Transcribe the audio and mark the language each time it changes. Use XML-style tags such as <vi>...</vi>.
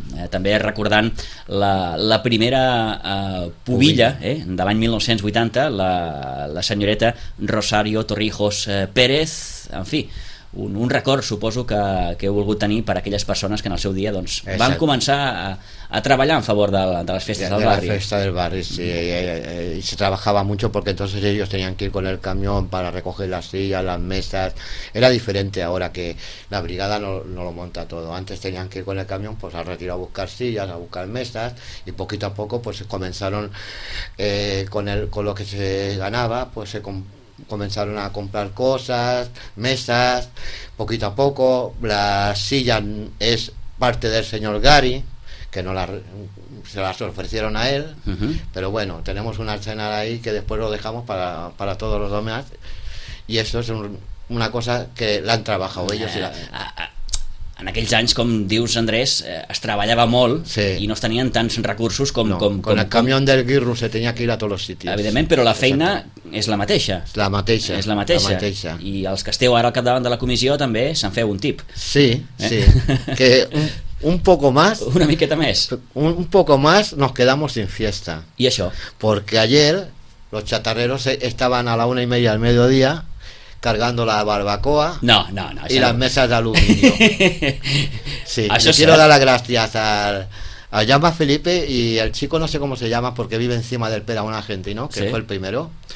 <ca>També recordant la primera pubilla de l'any 1980, la senyoreta Rosario Torrijos Pérez. En fi, un record, suposo, que heu volgut tenir per aquelles persones que en el seu dia doncs, van començar a treballar en favor de les festes del barri. De la festa del barri, sí.</ca> <es>Y se trabajaba mucho porque entonces ellos tenían que ir con el camión para recoger las sillas, las mesas. Era diferente ahora, que la brigada no lo monta todo. Antes tenían que ir con el camión pues al retiro a buscar sillas, a buscar mesas, y poquito a poco pues comenzaron con lo que se ganaba, pues se comenzaron a comprar cosas, mesas, poquito a poco. La silla es parte del señor Gary, que no se las ofrecieron a él, pero bueno, tenemos un arsenal ahí que después lo dejamos para todos los demás, y eso es una cosa que la han trabajado ellos.</es> <ca>En aquells anys, com dius, Andrés, es treballava molt i no es tenien tants recursos com...</ca> <es>No, con el camión del Guirro se tenía que ir a todos los sitios.</es> <ca>Evidentment, però la feina és la mateixa. La mateixa. I els que esteu ara al capdavant de la comissió també se'n feu un tip.</ca> <es>Sí. Que un poco más...</es> <ca>Una miqueta més.</ca> <es>Un poco más nos quedamos sin fiesta.</es> <ca>I això?</ca> <es>Porque ayer los chatarreros estaban a la 1:30 al mediodía cargando la barbacoa y las mesas de aluminio. Sí, yo quiero dar las gracias a Jaume Felipe y al chico, no sé cómo se llama, porque vive encima del pera, un argentino, que fue el primero.</es>